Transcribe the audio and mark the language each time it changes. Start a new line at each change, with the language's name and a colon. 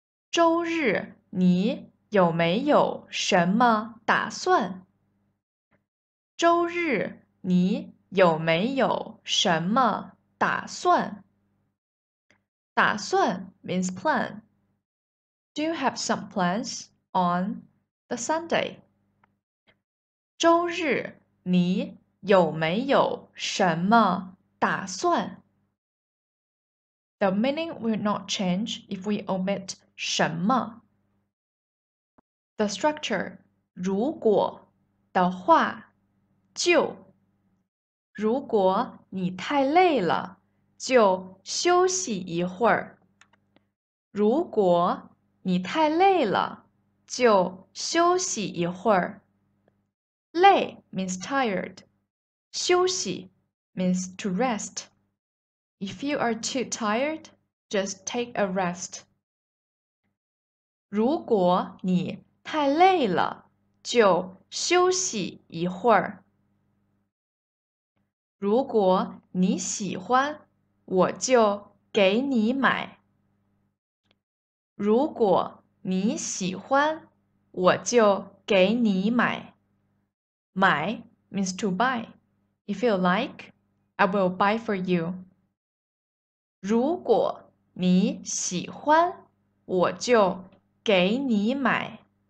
Chinese: 周日你有没有什么打算？周日你有没有什么打算？
English: 打算 means plan. Do you have some plans on the Sunday?
Chinese: 周日你有没有什么打算？
English: The meaning will not change if we omit 什么。 The structure 如果的话。
Chinese: 就，如果你太累了，就休息一会儿。如果你太累了，就休息一会儿。
English: 累 means tired. 休息 means to rest. If you are too tired, just take a rest.
Chinese: 如果你太累了，就休息一会儿。如果你喜欢，我就给你买。如果你喜欢，我就给你买。
English: 买 means to buy. If you like, I will buy for you.
Chinese: 如果你喜欢，我就给你买。